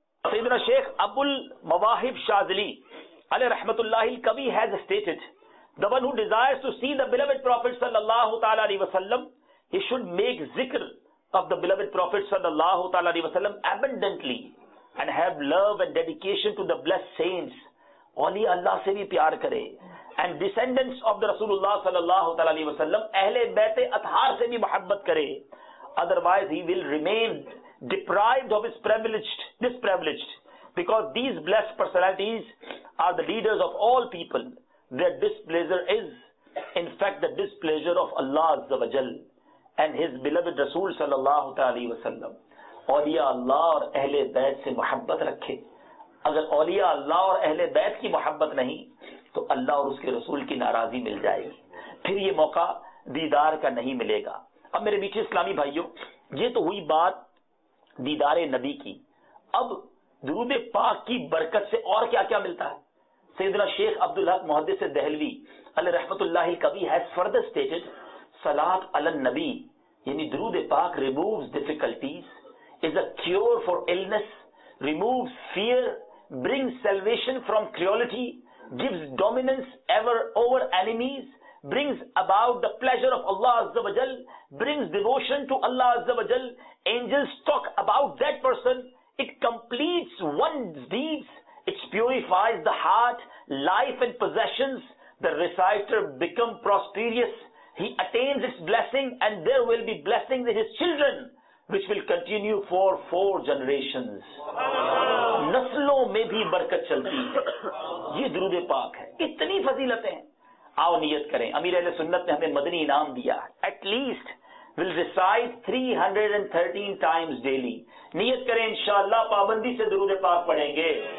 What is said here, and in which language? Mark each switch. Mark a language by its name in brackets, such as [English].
[English] سیدنا شیخ ابو المواہب شاذلی علیہ رحمۃ اللہ القوی has stated, the one who desires to see the beloved prophet صلی اللہ تعالی علیہ وسلم, he should make ذکر of the beloved prophet صلی اللہ تعالی علیہ وسلم abundantly and have love and dedication to the blessed saints. [Urdu] اولیاء اللہ سے بھی پیار کرے, [English] and descendants of the [Urdu] رسول اللہ صلی اللہ علیہ وسلم, اہل بیت اطہار سے بھی محبت کرے. [English] Otherwise he will remain deprived of his privileged, this privileged, because these blessed personalities are the leaders of all people. Their displeasure is in fact the displeasure of Allah عزّ وجل and his beloved رسول صلی اللہ علیہ وسلم. [Urdu] اولیاء اللہ اور اہل بیت سے محبت رکھے. اگر اولیاء اللہ اور اہل بیت کی محبت نہیں تو اللہ اور اس کے رسول کی ناراضی مل جائے گی, پھر یہ موقع دیدار کا نہیں ملے گا. اب میرے میٹھے اسلامی بھائیوں, یہ تو ہوئی بات دیدار نبی کی. اب درود پاک کی برکت سے اور کیا کیا ملتا ہے؟ [English] سیدنا شیخ عبدالحق محدث دہلوی علیہ رحمت اللہ کبھی has further stated صلات علی النبی [Urdu] یعنی درود پاک [English] removes difficulties, is a cure for illness, removes fear, brings salvation from cruelty, gives dominance ever over enemies, brings about the pleasure of Allah Azza wa Jal, brings devotion to Allah Azza wa Jal, angels talk about that person, it completes one's deeds, it purifies the heart, life and possessions, the reciter become prosperous, he attains its blessing and there will be blessings in his children, which will continue for four generations. [Urdu] نسلوں میں بھی برکت چلتی ہے, یہ درود پاک ہے, اتنی فضیلتیں ہیں. آؤ نیت کریں, امیر اہل سنت نے ہمیں مدنی انعام دیا, [English] at least will recite 313 times daily, [Urdu] نیت کریں انشاءاللہ پابندی سے درود پاک پڑھیں گے.